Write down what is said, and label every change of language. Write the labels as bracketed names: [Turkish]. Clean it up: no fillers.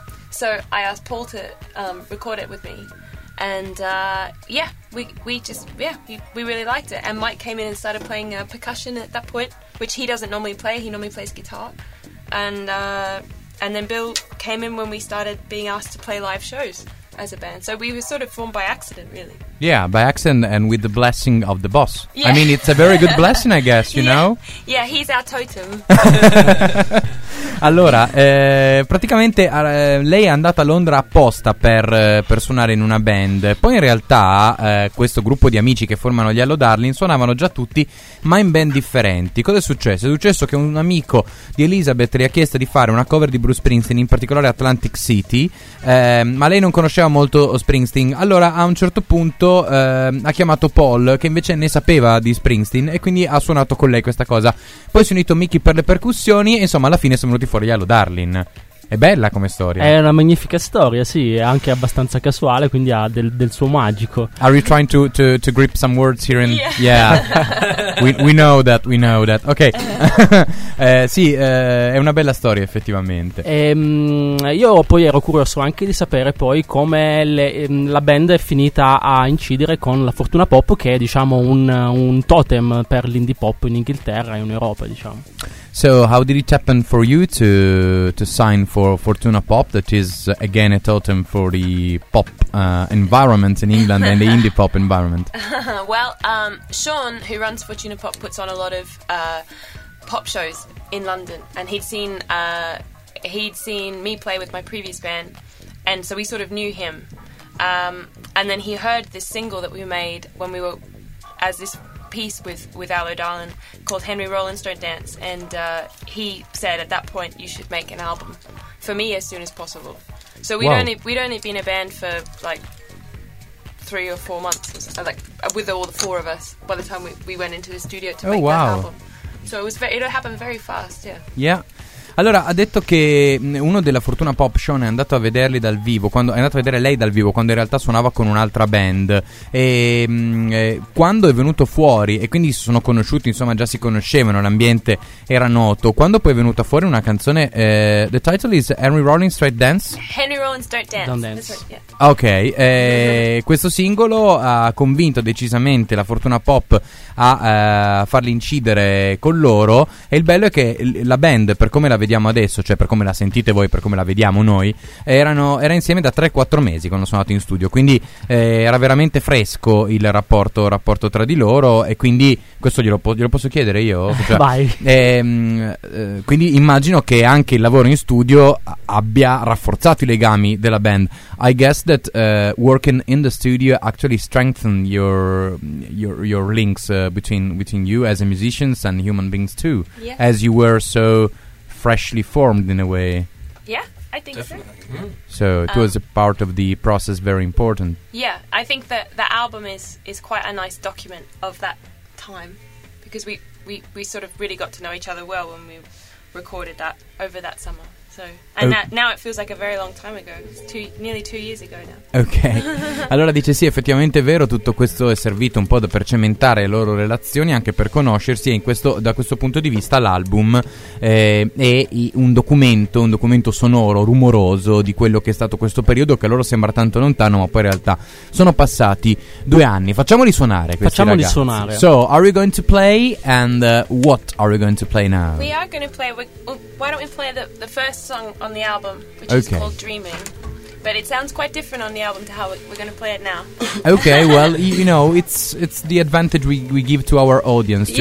[English] So I asked Paul to record it with me, and we really liked it. And Mike came in and started playing percussion at that point, which he doesn't normally play. He normally plays guitar, and then Bill came in when we started being asked to play live shows as a band. So we were sort of formed by accident, really. Yeah, by accident, and with the blessing of the boss. Yeah. I mean, it's a very good blessing, I guess. You know. Yeah, he's our totem. [Italian] Allora, praticamente lei è andata a Londra apposta per suonare in una band. Poi in realtà questo gruppo di amici che formano gli Hello Darling suonavano già tutti, ma in band differenti. Cosa è successo? È successo che un amico di Elizabeth le ha chiesto di fare una cover di Bruce Springsteen, in particolare Atlantic City, ma lei non conosceva molto Springsteen. Allora a un certo punto ha chiamato Paul, che invece ne sapeva di Springsteen, e quindi ha suonato con lei questa cosa. Poi si è unito Mickey per le percussioni e insomma alla fine sono venuti fuori gli Hello Darling. È bella come storia. È una magnifica storia, sì, è anche abbastanza casuale, quindi ha del suo magico. [English] Are you trying to grip some words here? In yeah. we know that. Ok. [Italian] è una bella storia effettivamente. Io poi ero curioso anche di sapere poi come la band è finita a incidere con la Fortuna Pop, che è diciamo un totem per l'indie pop in Inghilterra e in Europa, diciamo. [English] So how did it happen for you to sign for Fortuna Pop, that is again a totem for the pop environment in England and the indie pop environment? Well, Sean, who runs Fortuna Pop, puts on a lot of pop shows in London, and he'd seen me play with my previous band, and so we sort of knew him. And then he heard this single that we made when we were as this piece with Hello Darling called Henry Rollins Don't Dance, and he said at that point you should make an album for me as soon as possible. So we'd only been a band for like 3 or 4 months, like with all the four of us, by the time we went into the studio to make that album. So it happened very fast. Yeah. [Italian] Allora, ha detto che uno della Fortuna Pop, Sean, è andato a vedere lei dal vivo quando in realtà suonava con un'altra band. E quando è venuto fuori, e quindi si sono conosciuti, insomma, già si conoscevano, l'ambiente era noto. Quando poi è venuta fuori una canzone, [English] the title is [Italian] Henry Rollins Don't Dance? [English] Henry Rollins Don't Dance. Don't Dance. [Italian] Ok, questo singolo ha convinto decisamente la Fortuna Pop a farli incidere con loro. E il bello è che la band, per come la vediamo adesso, cioè per come la sentite voi, per come la vediamo noi, era insieme da 3-4 mesi quando sono andato in studio, quindi era veramente fresco il rapporto tra di loro. E quindi questo glielo posso chiedere io? Cioè, vai. Quindi immagino che anche il lavoro in studio abbia rafforzato i legami della band. [English] I guess that working in the studio actually strengthened your links between you as a musicians and human beings too. Yeah. As you were so freshly formed in a way. Yeah, I think definitely. So. Mm-hmm. So it was a part of the process, very important. Yeah, I think that the album is quite a nice document of that time, because we sort of really got to know each other well when we recorded that over that summer. Now it feels like a very long time ago. Nearly 2 years ago now. Ok. [Italian] Allora dice sì, effettivamente è vero, tutto questo è servito un po' per cementare le loro relazioni, anche per conoscersi, e da questo punto di vista l'album è un documento sonoro, rumoroso di quello che è stato questo periodo, che a loro sembra tanto lontano, ma poi in realtà sono passati 2 anni. Facciamoli suonare questi ragazzi. [English] So, are we going to play, and what are we going to play now? We are going to play, why don't we play the first song on the album, which okay. is called Dreaming, but it sounds quite different on the album to how we're going to play it now. Okay, well, you know, it's the advantage we give to our audience to